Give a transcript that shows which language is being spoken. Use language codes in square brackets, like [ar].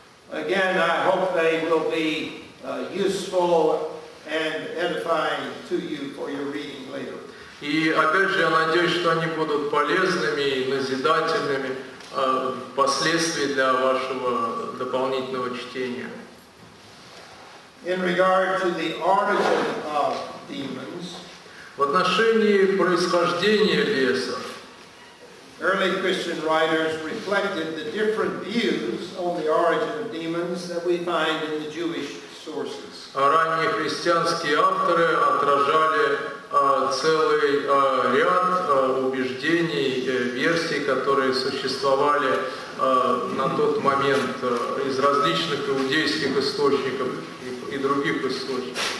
[en] Again, I hope they will be useful and edifying to you for your reading later. [ru] И опять же, я надеюсь, что они будут полезными и назидательными впоследствии для вашего дополнительного чтения. [en] In regard to the origin of demons, [ru] в отношении происхождения бесов, [en] early Christian writers reflected the different views on the origin of demons that we find in the Jewish sources. [ru] Ранние христианские авторы отражали целый ряд убеждений, версий, которые существовали на тот момент из различных иудейских источников и других источников.